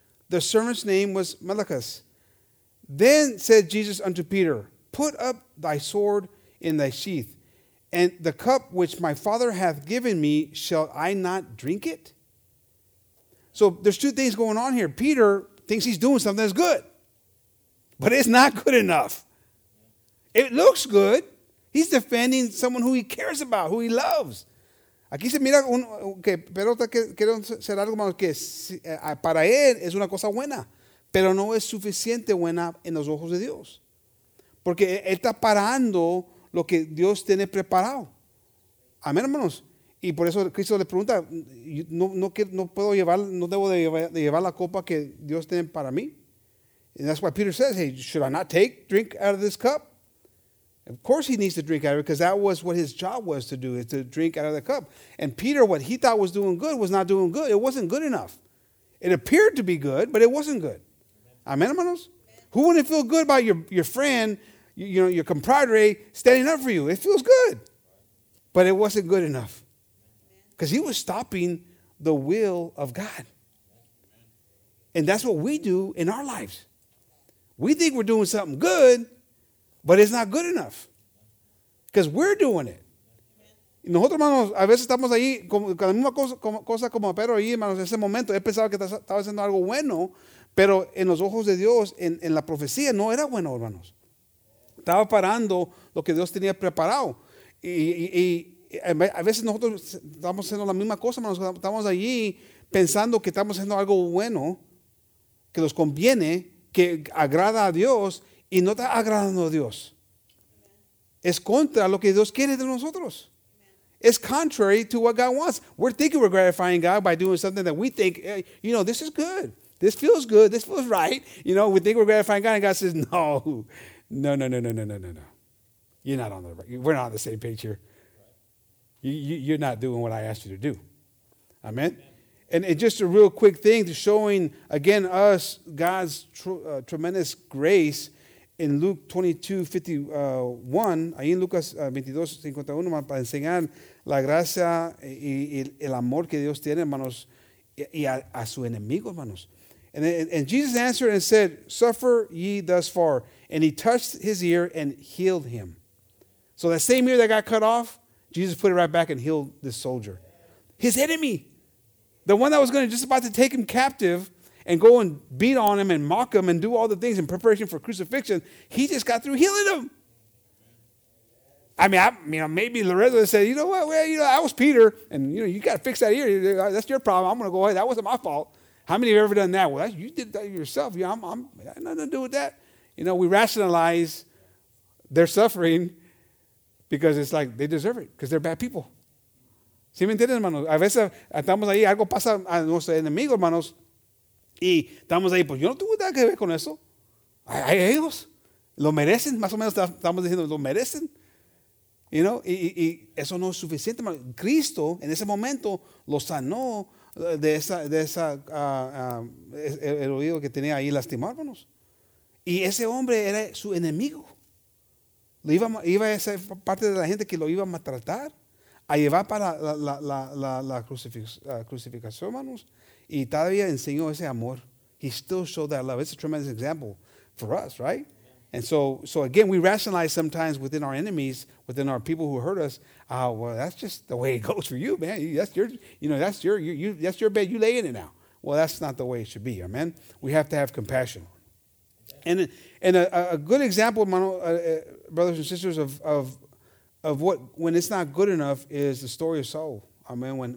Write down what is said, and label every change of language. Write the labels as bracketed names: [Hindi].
[English] The servant's name was Malchus. Then said Jesus unto Peter, put up thy sword in thy sheath, and the cup which my Father hath given me, shall I not drink it? So there's two things going on here. Peter thinks he's doing something that's good, but it's not good enough. It looks good. He's defending someone who he cares about, who he loves. [Spanish] Aquí se mira que pero quiero hacer algo más que para él es una cosa buena, pero no es suficiente buena en los ojos de Dios, porque él está parando lo que Dios tiene preparado. Amén, hermanos. Y por eso Cristo le pregunta, no, no, no puedo llevar, no debo de llevar la copa que Dios tiene para mí. [English] And that's why Peter says, hey, should I not take drink out of this cup? Of course he needs to drink out of it, because that was what his job was to do, is to drink out of the cup. And Peter, what he thought was doing good, was not doing good. It wasn't good enough. It appeared to be good, but it wasn't good. Amen, hermanos? Who wouldn't feel good about your friend, you know, your compadre, standing up for you? It feels good. But it wasn't good enough. Because he was stopping the will of God. And that's what we do in our lives. We think we're doing something good, but it's not good enough. Because we're doing it. [Spanish] Y nosotros, hermanos, a veces estamos ahí con la misma cosa como Pedro ahí, hermanos, en ese momento. Él pensaba que estaba haciendo algo bueno, pero en los ojos de Dios, en la profecía, no era bueno, hermanos. Estaba parando lo que Dios tenía preparado. Y a veces nosotros estamos haciendo la misma cosa, hermanos. Estamos allí pensando que estamos haciendo algo bueno, que nos conviene, que agrada a Dios, y no está agradando a Dios. Es contra lo que Dios quiere de nosotros. [English] It's contrary to what God wants. We're thinking we're gratifying God by doing something that we think, hey, you know, this is good. This feels good. This feels right. You know, we think we're gratifying God, and God says, no. No, no, no, no, no, no, no, no. You're not on the right. We're not on the same page here. You're not doing what I asked you to do. Amen? And just a real quick thing to showing, again, us God's tremendous grace. In Luke 22:51, [Spanish] ahí en Lucas 22:51, para enseñar la gracia y el amor que Dios tiene, hermanos, y a su enemigo, hermanos. [English] And Jesus answered and said, suffer ye thus far. And he touched his ear and healed him. So that same ear that got cut off, Jesus put it right back and healed this soldier. His enemy, the one that was going to just about to take him captive, and go and beat on him and mock him and do all the things in preparation for crucifixion, he just got through healing him. I mean, maybe Lorenzo said, you know what? Well, you know, that was Peter. And, you know, you got to fix that ear. That's your problem. I'm going to go ahead. That wasn't my fault. How many have ever done that? Well, you did that yourself. Yeah, I had nothing to do with that. You know, we rationalize their suffering because it's like they deserve it because they're bad people. [Spanish] ¿Sí me entiendes, hermanos? A veces estamos ahí, algo pasa a nuestro enemigo, hermanos. Y estamos ahí, pues yo no tengo nada que ver con eso. Hay ellos. Lo merecen. Más o menos estamos diciendo, lo merecen. [English] You know? [Spanish] Y eso no es suficiente. Cristo, en ese momento, lo sanó el oído que tenía ahí lastimándonos. Y ese hombre era su enemigo. Lo iba a ser parte de la gente que lo iba a maltratar, a llevar para crucificación, hermanos. Y todavía enseñó ese amor. [English] He still showed that love. It's a tremendous example for us, right? And so again, we rationalize sometimes within our enemies, within our people who hurt us. Well, that's just the way it goes for you, man. That's your bed. You lay in it now. Well, that's not the way it should be, amen? We have to have compassion. And a good example, brothers and sisters, of what, when it's not good enough, is the story of Saul. Amen.